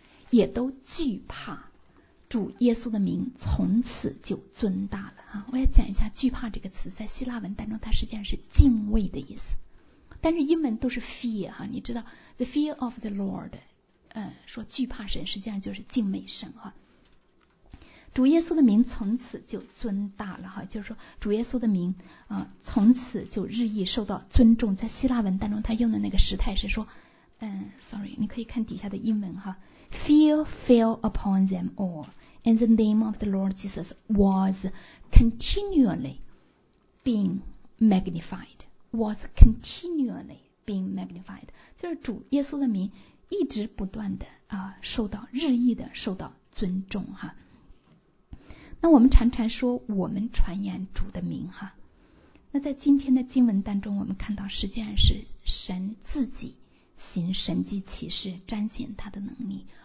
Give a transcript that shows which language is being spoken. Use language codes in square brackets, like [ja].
[zh] 也都惧怕，主耶稣的名从此就尊大了啊！我要讲一下惧怕这个词，在希腊文当中它实际上是敬畏的意思，但是英文都是 fear 哈、啊，你知道 [en] the fear of the Lord， [zh] 说惧怕神实际上就是敬畏神哈、啊。主耶稣的名从此就尊大了哈、啊，就是说主耶稣的名啊从此就日益受到尊重，在希腊文当中他用的那个时态是说，你可以看底下的英文哈。 [en] Fear fell upon them all, and the name of the Lord Jesus was continually being magnified. Was continually being magnified. [zh] 就是主耶稣的名一直不断的受到日益的受到尊重哈。那我们常常说我们传扬主的名哈。那在今天的经文当中，我们看到实际上是神自己行神迹奇事，彰显他的能力。